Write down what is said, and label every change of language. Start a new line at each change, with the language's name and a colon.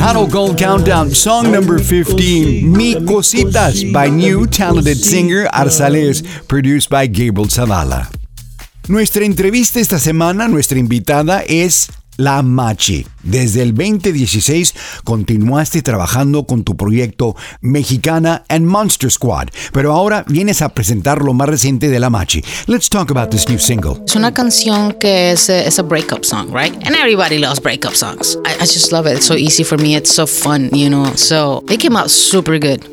English: Gold Countdown, song number 15, Mi Cositas, by new talented singer Arzales, produced by Gabriel Zavala.
Spanish: Nuestra entrevista esta semana, nuestra invitada es La Machi. Desde el 2016 continuaste trabajando con tu proyecto Mexicana and Monster Squad, pero ahora vienes a presentar lo más reciente de La Machi.
English: Let's talk about this new single.
Spanish: Es una canción que es
English: a breakup song, right? And everybody loves breakup songs. I just love it. It's so easy for me. It's so fun, you know. So it came out super good.